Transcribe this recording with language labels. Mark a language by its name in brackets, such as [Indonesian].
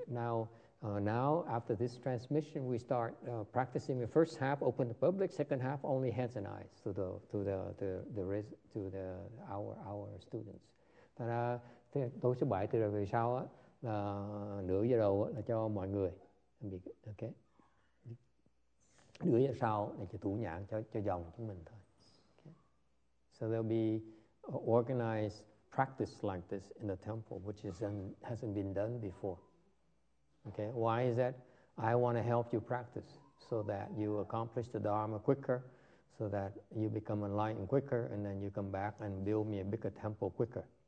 [English] Now, now after this transmission, we start practicing the first half open to public, second half only hands and eyes to our students. [Vietnamese] Thật ra, tối thứ bảy từ rồi về sau là nửa giờ đầu là cho mọi người. Okay. Nửa giờ sau là cho thủ nhãn cho dòng chúng mình thôi. [English] Okay. So there'll be organized practice like this in the temple, which hasn't been done before. Okay, why is that? I want to help you practice so that you accomplish the Dharma quicker, so that you become enlightened quicker, and then you come back and build me a bigger temple quicker.